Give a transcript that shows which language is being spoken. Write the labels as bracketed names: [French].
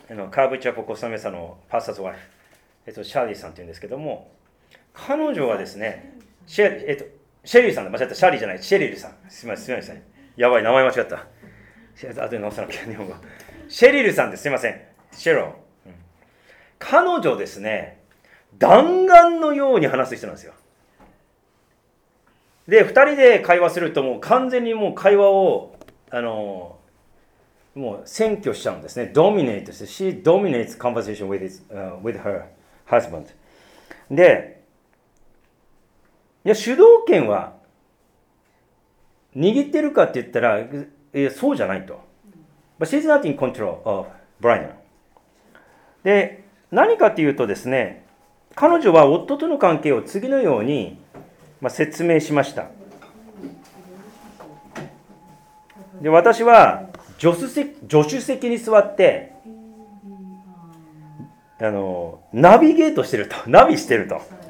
[Japanese] カーブチャポコサメサのパスターズワイフ、シャーリーさんというんですけども、彼女はですね、シェリーさんだ、間違った、シャーリーじゃない、シェリルさん、すみません、やばい、名前間違った、あとで直さなきゃ、日本語、シェリルさんです、すみません、シェロ、彼女ですね、弾丸のように話す人なんですよ。で、2人で会話すると、もう完全にもう会話を、もう占拠しちゃうんですね。 [English] ドミネートして、she dominates conversation with his, with her husband. [Japanese] で、いや、主導権は握ってるかって言ったら、そうじゃないと。 [English] But she's not in control of Brian. [Japanese] で、何かっていうとですね、彼女は夫との関係を次のように、説明しました。で、私は、助手席に座って、ナビゲートしてると、ナビしてると。